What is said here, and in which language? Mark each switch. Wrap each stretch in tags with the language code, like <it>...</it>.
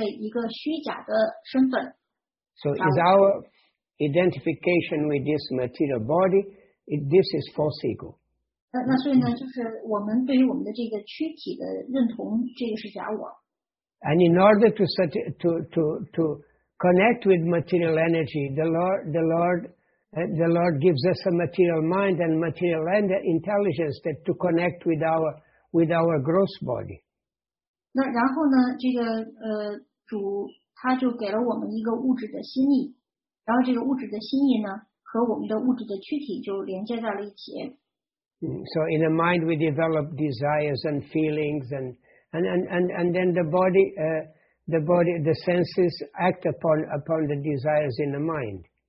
<zh>那个假我是自己创造出来的，这是我们所创造出来的一个虚假的身份。</zh> <en>So is our identification with this material body, this is false ego.</en> <zh>那所以呢，就是我们对于我们的这个躯体的认同，这个是假我。</zh> <en>And in order to connect with material energy, the Lord gives us a material mind and material and intelligence that to connect with our gross body.</en> <zh>那然后呢，这个主他就给了我们一个物质的心意，然后这个物质的心意呢和我们的物质的躯体就连接在了一起。</zh> <en>So in the mind we develop desires and feelings and then the body, the senses act upon the desires in the mind.</en>